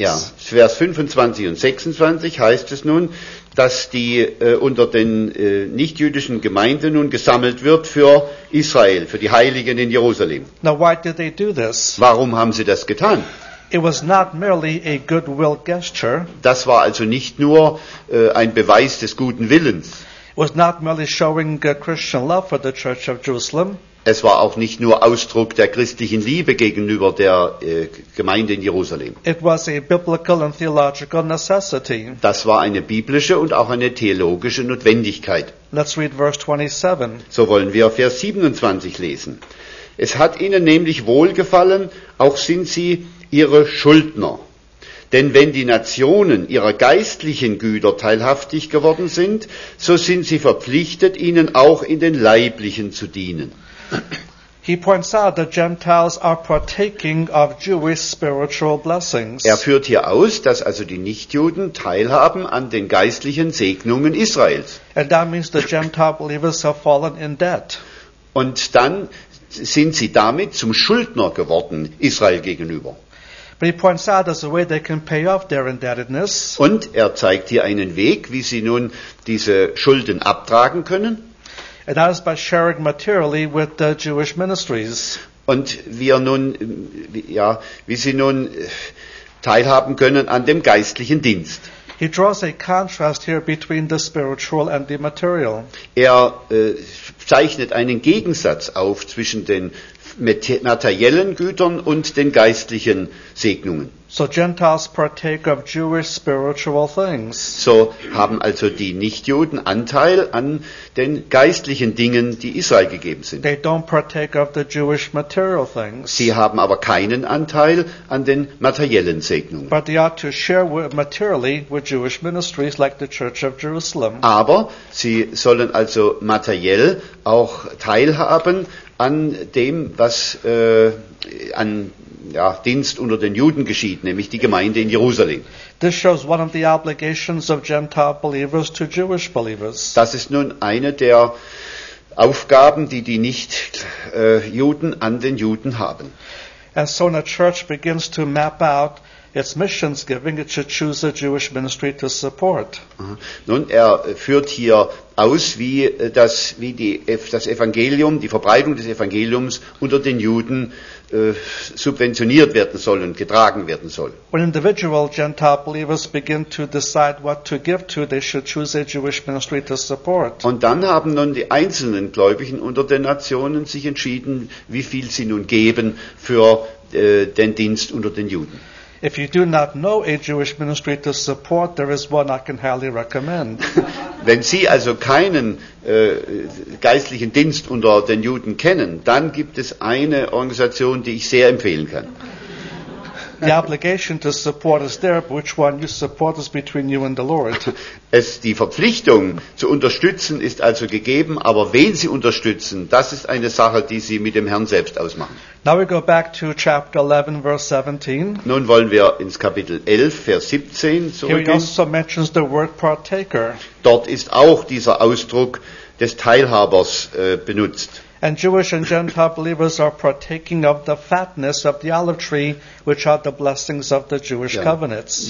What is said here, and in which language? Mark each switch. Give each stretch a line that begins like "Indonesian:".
German: Ja, Vers 25 und 26 heißt es nun, dass die unter den nichtjüdischen Gemeinden nun gesammelt wird für Israel, für die Heiligen in Jerusalem.
English: Now why did they do this?
German: Warum haben sie das getan?
English: It was not merely a goodwill gesture.
German: Das war also nicht nur ein Beweis des guten Willens.
English: It was not merely showing Christian love for the Church of Jerusalem.
German: Es war auch nicht nur Ausdruck der christlichen Liebe gegenüber der Gemeinde in Jerusalem.
English: It was a biblical and theological necessity.
German: Das war eine biblische und auch eine theologische Notwendigkeit.
English: Let's read verse 27.
German: So wollen wir Vers 27 lesen. Es hat ihnen nämlich wohlgefallen, auch sind sie ihre Schuldner. Denn wenn die Nationen ihrer geistlichen Güter teilhaftig geworden sind, so sind sie verpflichtet, ihnen auch in den leiblichen zu dienen.
English: He points out that Gentiles are partaking of Jewish spiritual blessings.
German: Er führt hier aus, dass also die Nichtjuden teilhaben an den geistlichen Segnungen Israels.
English: And that means the Gentile believers have fallen in debt.
German: Und dann sind sie damit zum Schuldner geworden Israel gegenüber.
English: But he points out there's a way they can pay off their indebtedness.
German: Und er zeigt hier einen Weg, wie sie nun diese Schulden abtragen können.
English: And that is by sharing materially with the Jewish ministries.
German: Und wir nun, ja, wie sie nun teilhaben können an dem geistlichen Dienst.
English: He draws a contrast here between the spiritual and the material.
German: Er zeichnet einen Gegensatz auf zwischen den materiellen Gütern und den geistlichen Segnungen.
English: So Gentiles partake of Jewish spiritual things.
German: So haben also die Nichtjuden Anteil an den geistlichen Dingen, die Israel gegeben sind.
English: They don't partake of the Jewish material things.
German: Sie haben aber keinen Anteil an den materiellen Segnungen.
English: But they ought to share materially with Jewish ministries like the Church of Jerusalem.
German: Aber sie sollen also materiell auch teilhaben an dem, was an ja, Dienst unter den Juden geschieht, nämlich die Gemeinde in Jerusalem.
English: This shows one of the obligations of Gentile believers to Jewish believers.
German: Das ist nun eine der Aufgaben, die die Nicht-Juden an den Juden haben.
English: And so when a church begins to map out its missions giving, it should choose a Jewish ministry to support.
German: Nun, er führt hier aus, wie das Evangelium, die Verbreitung des Evangeliums unter den Juden subventioniert werden soll und getragen werden soll.
English: When individual Gentile believers begin to decide what to give to, they should choose a Jewish ministry to support.
German: Und dann haben nun die einzelnen Gläubigen unter den Nationen sich entschieden, wie viel sie nun geben für den Dienst unter den Juden.
English: If you do not know a Jewish ministry to support, there is one I can highly recommend.
German: Wenn Sie also keinen geistlichen Dienst unter den Juden kennen, dann gibt es eine Organisation, die ich sehr empfehlen kann.
English: The obligation to support is there, but which one you support is between you and the Lord.
German: Es, die Verpflichtung zu unterstützen ist also gegeben, aber wen Sie unterstützen, das ist eine Sache, die Sie mit dem Herrn selbst ausmachen.
English: Now we go back to chapter 11, verse 17.
German: Nun wollen wir ins Kapitel 11, Vers 17 zurückgehen.
English: Here he also mentions the word partaker.
German: Dort ist auch dieser Ausdruck des Teilhabers benutzt.
English: And Jewish and Gentile believers are partaking of the fatness of the olive tree, which are the blessings of the Jewish covenants.